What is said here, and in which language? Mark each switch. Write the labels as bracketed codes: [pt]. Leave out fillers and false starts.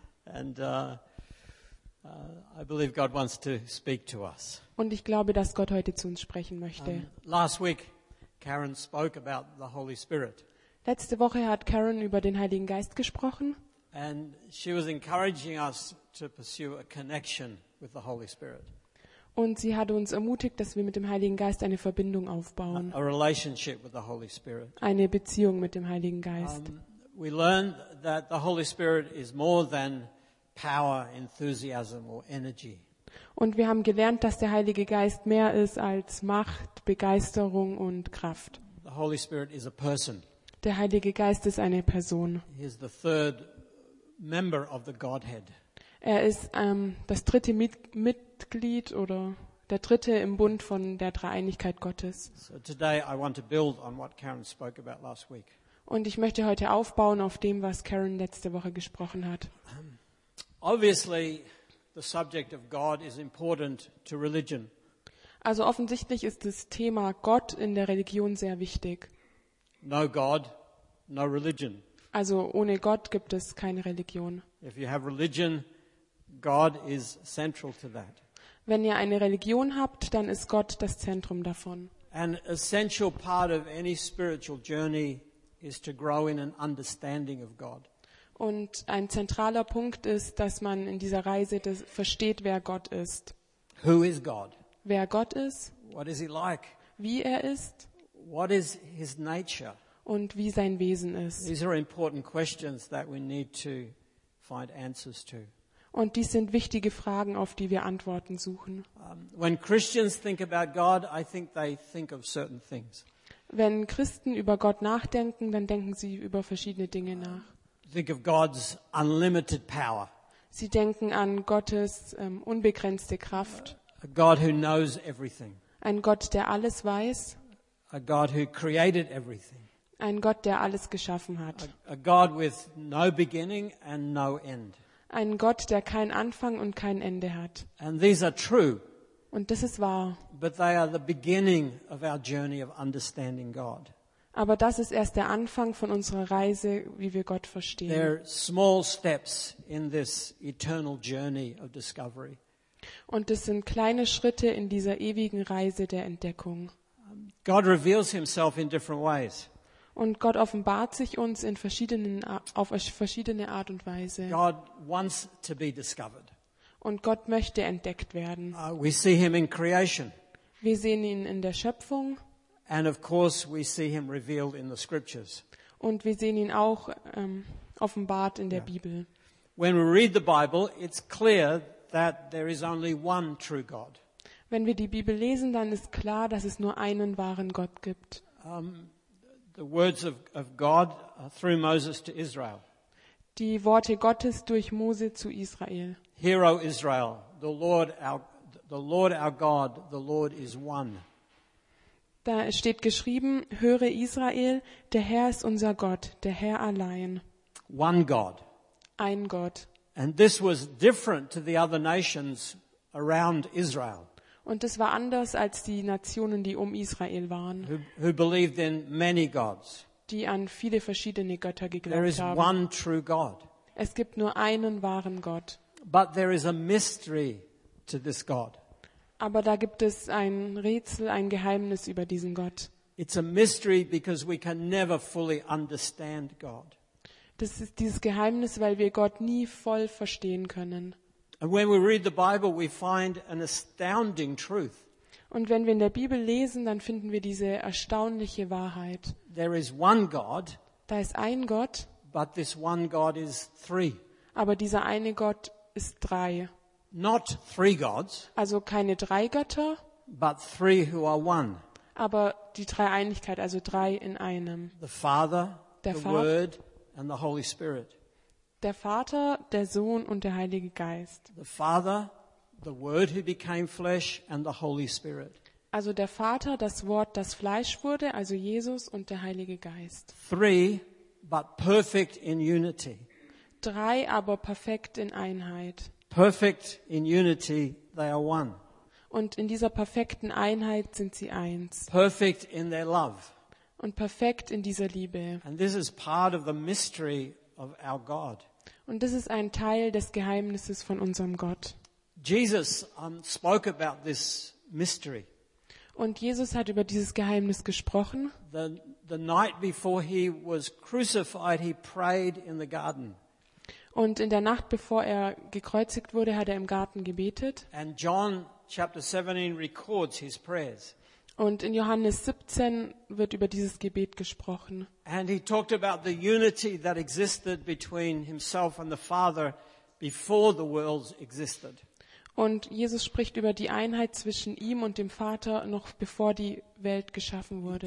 [en] And I believe God wants to speak to us. [de] Und ich glaube, dass Gott heute zu uns sprechen möchte. [en] Last week Karen spoke about the Holy Spirit. [de] Letzte Woche hat Karen über den Heiligen Geist gesprochen. [en] And she was encouraging us to pursue a connection with the Holy Spirit. [de] Und sie hat uns ermutigt, dass wir mit dem Heiligen Geist eine Verbindung aufbauen. [en] A relationship with the Holy Spirit. [de] Eine Beziehung mit dem Heiligen Geist. [en] We learned that the Holy Spirit is more than power, enthusiasm or energy. [de] Und wir haben gelernt, dass der Heilige Geist mehr ist als Macht, Begeisterung und Kraft. [en] The Holy Spirit is a person. [de] Der Heilige Geist ist eine Person. [en] He is the third member of the Godhead. [de] Er ist das dritte Mitglied oder der dritte im Bund von der Dreieinigkeit Gottes. [en] So today I want to build on what Karen spoke about last week. [de] Und ich möchte heute aufbauen auf dem, was Karen letzte Woche gesprochen hat. [en] Obviously, the subject of God is important to religion. [de] Also offensichtlich ist das Thema Gott in der Religion sehr wichtig. [en] No God, no religion. [de] Also ohne Gott gibt es keine Religion. [en] If you have religion, God is central to that. [de] Wenn ihr eine Religion habt, dann ist Gott das Zentrum davon. [en] An essential part of any spiritual journey is to grow in an understanding of God. [de] Und ein zentraler Punkt ist, dass man in dieser Reise versteht, wer Gott ist. [en] Who is God? [de] Wer Gott ist? [en] What is he like? [de] Wie er ist? [en] What is his nature? [de] Und wie sein Wesen ist? [en] These are important questions that we need to find answers to. [de] Und dies sind wichtige Fragen, auf die wir Antworten suchen. [en] When Christians think about God, I think they think of certain things. [de] Wenn Christen über Gott nachdenken, dann denken sie über verschiedene Dinge nach. [en] Think of God's unlimited power. [de] Sie denken an Gottes unbegrenzte Kraft. [en] A God who knows everything. [de] Ein Gott, der alles weiß. [en] A God who created everything. [de] Ein Gott, der alles geschaffen hat. [en] A God with no beginning and no end. [de] Ein Gott, der keinen Anfang und kein Ende hat. [en] And these are true. [de] Und das ist wahr. [en] But they are the beginning of our journey of understanding God. [de] Aber das ist erst der Anfang von unserer Reise, wie wir Gott verstehen. [en] There are small steps in this eternal journey of discovery. [de] Und es sind kleine Schritte in dieser ewigen Reise der Entdeckung. [en] God reveals himself in different ways. [de] Und Gott offenbart sich uns in verschiedene Art und Weise. [en] God wants to be discovered. [de] Und Gott möchte entdeckt werden. [en] We see him in creation. [de] Wir sehen ihn in der Schöpfung. [en] And of course we see him revealed in the scriptures. [de] Und wir sehen ihn auch offenbart in der Bibel. [en] When we read the Bible, it's clear that there is only one true God. [de] Wenn wir die Bibel lesen, dann ist klar, dass es nur einen wahren Gott gibt. [en] The words of God through Moses to Israel. [de] Die Worte Gottes durch Mose zu Israel. [en] Hear, O Israel, the Lord our God, the Lord is one. [de] Da steht geschrieben, höre Israel, der Herr ist unser Gott, der Herr allein. [en] One God. [de] Ein Gott. [en] And this was different to the other nations around Israel. [de] Und das war anders als die Nationen, die um Israel waren. [en] Who believed in many gods. [de] Die an viele verschiedene Götter geglaubt haben. [en] There is one true God. [de] Es gibt nur einen wahren Gott. [en] But there is a mystery to this God. [de] Aber da gibt es ein Rätsel, ein Geheimnis über diesen Gott. [en] It's a mystery because we can never fully understand God. [de] Das ist dieses Geheimnis, weil wir Gott nie voll verstehen können. [en] And when we read the Bible, we find an astounding truth. [de] Und wenn wir in der Bibel lesen, dann finden wir diese erstaunliche Wahrheit. [en] There is one God. [de] Da ist ein Gott. [en] But this one God is three. [de] Aber dieser eine Gott ist drei. [en] Not three gods. [de] Also keine drei Götter. [en] But three who are one. [de] Aber die Dreieinigkeit, also drei in einem. [en] The Father, [de] der [en] the Word, and the Holy Spirit. [de] Der Vater, der Sohn und der Heilige Geist. [en] The Father, the Word who became flesh, and the Holy Spirit. [de] Also der Vater, das Wort, das Fleisch wurde, also Jesus und der Heilige Geist. [en] Three, but perfect in unity. [de] Drei, aber perfekt in Einheit. [en] Perfect in unity, they are one. [de] Und in dieser perfekten Einheit sind sie eins. [en] Perfect in their love. [de] Und perfekt in dieser Liebe. [en] And this is part of the mystery of our God. [de] Und das ist ein Teil des Geheimnisses von unserem Gott. [en] Jesus spoke about this mystery. [de] Und Jesus hat über dieses Geheimnis gesprochen. [en] The night before he was crucified, he prayed in the garden. [de] Und in der Nacht, bevor er gekreuzigt wurde, hat er im Garten gebetet. [en] And John chapter 17 records his prayers. [de] Und in Johannes 17 wird über dieses Gebet gesprochen. [en] And he talked about the unity that existed between himself and the Father before the world existed. [de] Und Jesus spricht über die Einheit zwischen ihm und dem Vater noch bevor die Welt geschaffen wurde.